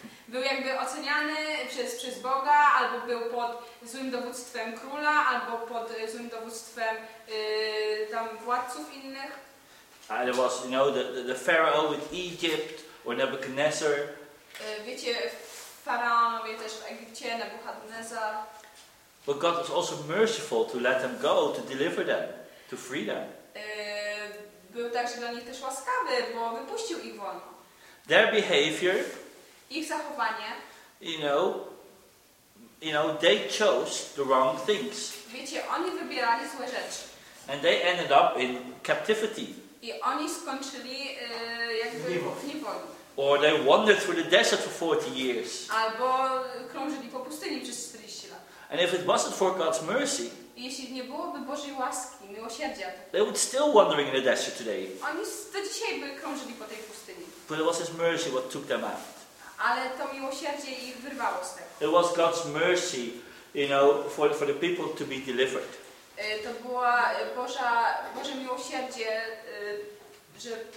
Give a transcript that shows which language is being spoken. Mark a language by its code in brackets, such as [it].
[pl] Był jakby oceniany przez Boga, albo był pod złym dowództwem króla, albo pod złym dowództwem tam władców innych. [en] And it was, you know, the pharaoh with Egypt, or Nebuchadnezzar. [pl] Wiecie, faraonowie też w Egipcie, Nebuchadnezzar. [en] But God was also merciful to let them go, to deliver them, to free them. [pl] Był także dla nich też łaskawy, bo wypuścił ich wolno. [en] Their behavior, [pl] ich zachowanie, [en] you know, they chose the wrong things. [pl] Wiecie, oni wybierali złe rzeczy. [en] And they ended up in captivity. [pl] I oni skończyli jakby w niewoli. [en] Or they wandered through the desert for 40 years. [pl] Albo krążyli po pustyni przez 40 lat. [en] And if it wasn't for God's mercy, [pl] jeśli nie byłoby Bożej łaski, miłosierdzia, [en] they would still wandering in the desert today. [pl] Oni do dzisiaj by krążyli po tej pustyni. [en] But it was His mercy what took them out. [pl] Ale to miłosierdzie ich wyrwało z tego. [en] It was God's mercy, you know, for the people to be delivered. [pl] To była Boże miłosierdzie, że